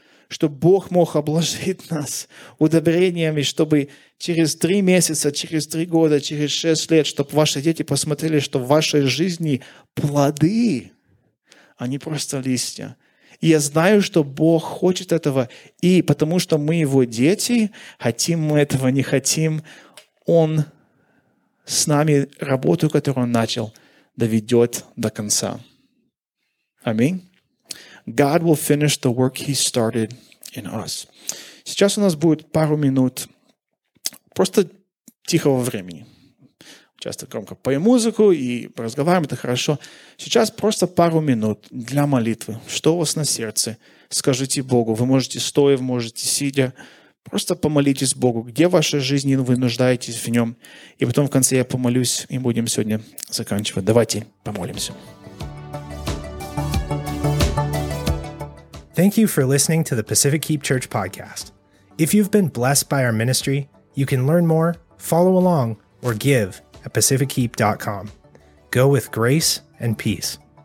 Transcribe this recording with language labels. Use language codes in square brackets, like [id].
[ru] Чтобы Бог мог обложить нас удобрениями, чтобы через 3 месяца, через 3 года, через 6 лет, чтобы ваши дети посмотрели, что в вашей жизни плоды, а не просто листья. И я знаю, что Бог хочет этого, и потому что мы Его дети, хотим мы этого, не хотим, Он с нами работу, которую Он начал, доведет до конца. Аминь. [en] God will finish the work He started in us. [ru] Сейчас у нас будет пару минут просто тихого времени. Часто громко поем музыку и разговариваем, это хорошо. Сейчас просто пару минут для молитвы. Что у вас на сердце? Скажите Богу. Вы можете стоя, вы можете сидя. Просто помолитесь Богу. Где в вашей жизни вы нуждаетесь в Нем? И потом в конце я помолюсь, и будем сегодня заканчивать. Давайте помолимся. [en] Thank you for listening to the Pacific Keep Church podcast. If you've been blessed by our ministry, you can learn more, follow along, or give at pacifickeep.com. Go with grace and peace.